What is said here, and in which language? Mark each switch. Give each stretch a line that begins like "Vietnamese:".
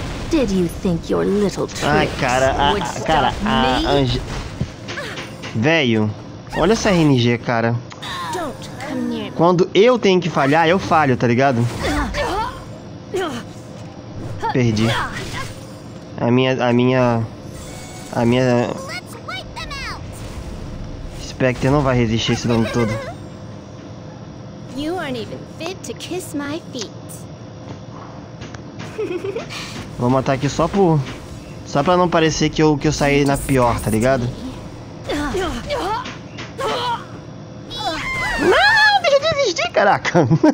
English: Did you think your little tricks would stop me?
Portuguese: Ai, cara, velho, olha essa RNG, cara. Quando eu tenho que falhar, eu falho, tá ligado? Perdi. A minha Spectre não vai resistir esse dano todo.
English: You aren't even fit to kiss my feet.
Portuguese: Vou matar aqui só por... Só pra não parecer que eu saí na pior, tá ligado? Não, deixa eu desistir, caraca!